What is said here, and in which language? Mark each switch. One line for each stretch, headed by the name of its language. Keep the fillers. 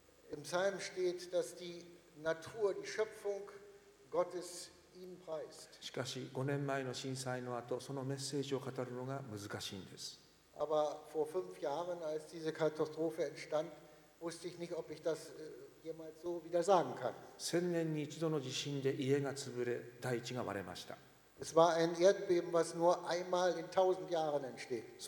German: Im Psalm steht, dass die Natur, die Schöpfung Gottes ihn preist.
Japanese: しかし、5年前の震災の後、そのメッセージを語るのが難しいんです
German: Aber vor fünf Jahren, als diese Katastrophe entstand, wusste ich nicht, ob ich das jemals so wieder sagen kann.
Japanese: 1000年に一度の地震で家が潰れ、大地が割れました。
German: Es war ein Erdbeben, was nur einmal in 1000 Jahren entsteht.